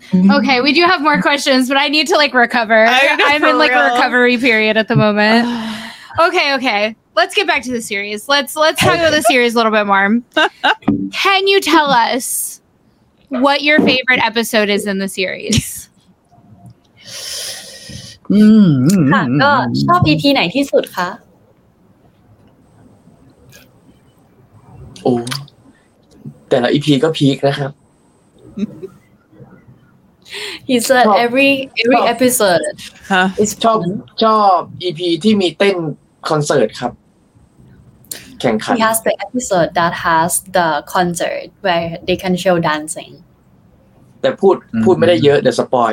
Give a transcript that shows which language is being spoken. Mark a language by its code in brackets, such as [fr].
[en] Okay, we do have more questions, but I need to like recover. I'm in like a recovery period at the moment. Okay. Let's get back to the series. Let's talk about the series a little bit more. Can you tell us what your favorite episode is in the series? [th] ค่ะก็ชอบ EP ไหนที่สุดคะ โอ้แต่ละ EP ก็พีคนะครับ [en] He said every episode is [th] ชอบ EP ที่มีเต้นคอนเสิร์ตครับ [en] He has the episode that has the concert where they can show dancing. [th] แต่พูดไม่ได้เยอะเดี๋ยวสปอย